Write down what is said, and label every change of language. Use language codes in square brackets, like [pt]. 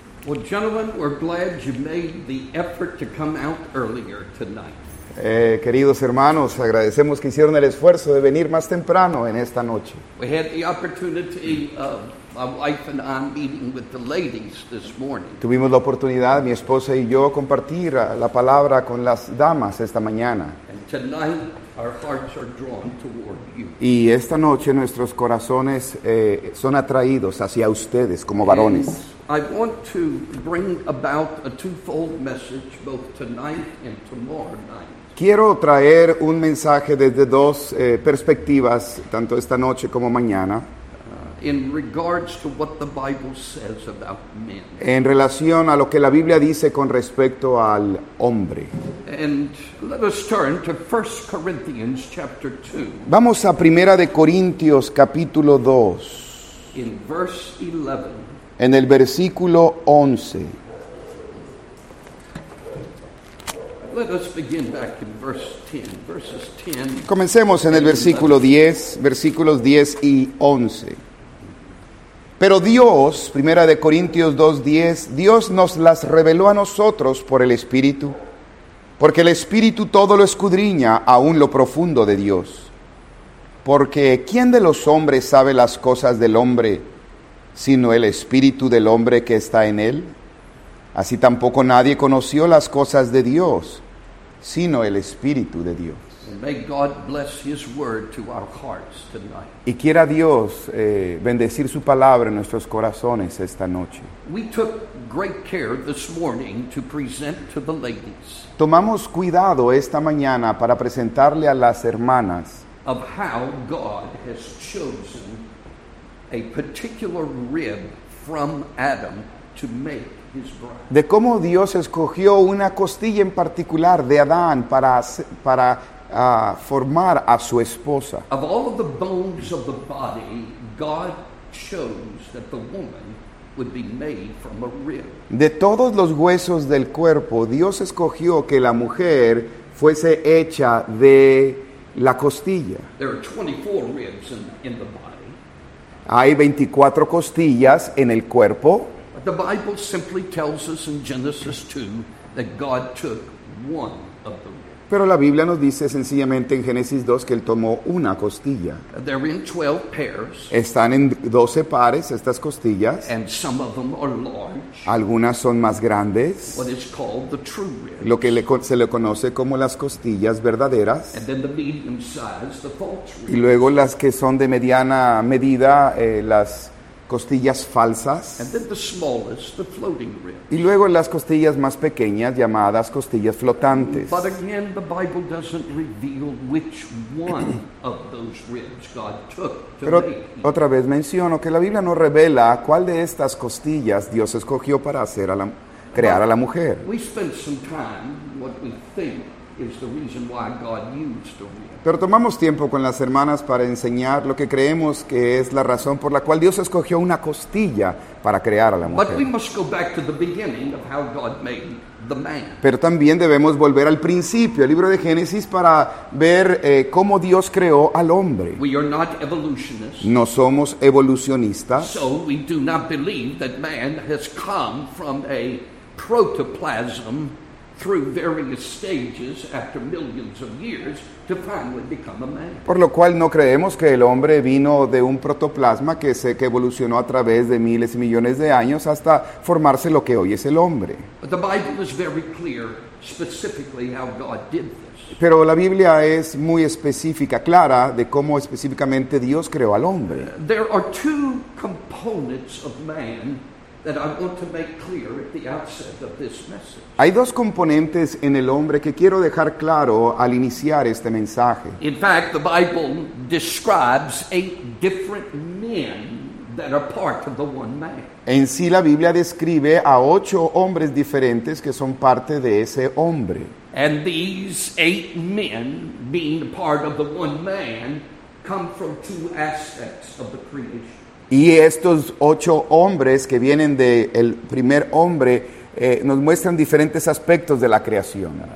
[en] Well, gentlemen, we're glad you made the effort to come out earlier tonight. [es] Queridos hermanos, agradecemos que hicieron el esfuerzo de venir más temprano en esta noche. [en] We had the opportunity of my wife and I meeting with the ladies this morning. [es] Tuvimos la oportunidad, mi esposa y yo, compartir la palabra con las damas esta mañana. [en] And tonight, our hearts are drawn toward you. [es] Y esta noche nuestros corazones son atraídos hacia ustedes como varones. [en] And I want to bring about a twofold message both tonight and tomorrow night. [es] Quiero traer un mensaje desde dos perspectivas, tanto esta noche como mañana. [en] In regards to what the Bible says about men. [es] En relación a lo que la Biblia dice con respecto al hombre. [en] And let us turn to 1 Corinthians chapter 2. [es] Vamos a 1 de Corintios capítulo 2. [en] In verse 11. [es] En el versículo 11. [en] Let us begin back in verses 10. [es] Comencemos en el versículo 10, versículos 10 y 11. Pero Dios, 1 Corintios 2, 10, Dios nos las reveló a nosotros por el Espíritu, porque el Espíritu todo lo escudriña, aun lo profundo de Dios. Porque ¿quién de los hombres sabe las cosas del hombre, sino el Espíritu del hombre que está en él? Así tampoco nadie conoció las cosas de Dios, sino el Espíritu de Dios. [en] And may God bless his word to our hearts tonight. [es] Y quiera Dios bendecir su palabra en nuestros corazones esta noche. [en] We took great care this morning to present to the ladies. [es] Tomamos cuidado esta mañana para presentarle a las hermanas. [en] Of how God has chosen a particular rib from Adam to make. [es] De cómo Dios escogió una costilla en particular de Adán para formar a su esposa. [en] Of all of the bones of the body, God chose that the woman would be made from a rib. [es] De todos los huesos del cuerpo, Dios escogió que la mujer fuese hecha de la costilla. [en] There are 24 ribs in the body. [es] Hay 24 costillas en el cuerpo. [en] The Bible simply tells us in Genesis 2 that God took one of the ribs. [es] Pero la Biblia nos dice sencillamente en Génesis 2 que él tomó una costilla. [en] They're in 12 pairs. [es] Están en 12 pares estas costillas. [en] And some of them are large. [es] Algunas son más grandes. [en] What is called the true ribs. [es] Lo que se le conoce como las costillas verdaderas. [en] And then the medium size, the false ribs. [es] Y luego las que son de mediana medida, las costillas falsas. [en] And then the smallest, the floating ribs. [es] Y luego las costillas más pequeñas, llamadas costillas flotantes. [en] But again, the Bible doesn't reveal which one of those ribs God took to [es] Pero [en] make. [es] Otra vez menciono que la Biblia no revela cuál de estas costillas Dios escogió para hacer a la crear [en] But [es] a la mujer. [en] We spend some time what we think is the reason why God used the rib. [es] Pero tomamos tiempo con las hermanas para enseñar lo que creemos que es la razón por la cual Dios escogió una costilla para crear a la mujer. [en] But we must go back to the beginning of how God made the man. [es] Pero también debemos volver al principio, al libro de Génesis, para ver cómo Dios creó al hombre. [en] We are not evolutionists. [es] No somos evolucionistas. [en] So we do not believe that man has come from a protoplasm through various stages after millions of years to finally become a man. [es] Por lo cual no creemos que el hombre vino de un protoplasma que evolucionó a través de miles y millones de años hasta formarse lo que hoy es el hombre. [en] But the Bible is very clear specifically how God did this. [es] Pero la Biblia es muy específica, clara de cómo específicamente Dios creó al hombre. [en] There are two components of man that I want to make clear at the outset of this message. [es] Hay dos componentes en el hombre que quiero dejar claro al iniciar este mensaje. [en] In fact, the Bible describes 8 different men that are part of the one man. [es] En sí, la Biblia describe a 8 hombres diferentes que son parte de ese hombre. [en] And these 8 men being part of the one man come from 2 aspects of the creation. [es] Y estos 8 hombres que vienen del primer hombre nos muestran diferentes aspectos de la creación.